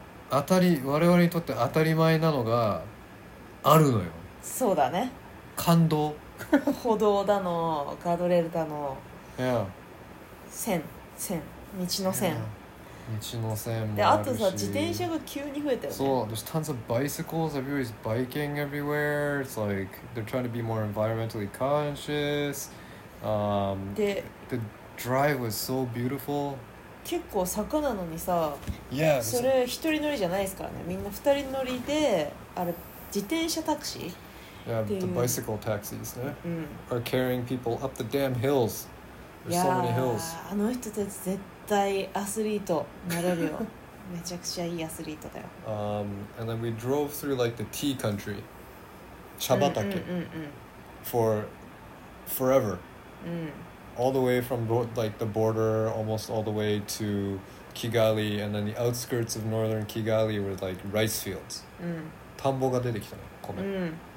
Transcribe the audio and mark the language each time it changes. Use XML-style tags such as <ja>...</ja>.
<ja>当たり、我々にとって当たり前なのがあるのよ。そうだね。感動歩道だの、ガードレールだの、</ja> <en>yeah.</en> <ja>線、道の線、 yeah. 道の線もあるし、であとさ、自転車が急に増えたよね。</ja> <en>そう、there's tons of bicycles everywhere, it's biking everywhere, it's like they're trying to be more environmentally consciousconscious.</en> <ja>で、</ja> <en>the drive was so beautiful.</en> <ja>結構坂なのにさ、</ja> <en>yeah.</en> <ja>それ一人乗りじゃないですからね。みんな二人乗りで、あれ、自転車タクシー、</ja> <en>yeah, the bicycle taxis, yeah, are carrying people up the damn hills. There's so many hills.</en> <ja>あの人たち絶対アスリートになれるよ。めちゃくちゃいいアスリートだよ。</ja> <en>And then we drove through like the tea country, 茶畑、for forever. All the way from like the border, almost all the way to Kigali, and then the outskirts of northern Kigali were like rice fields.</en> <ja>田んぼが出てきたね、米。</ja>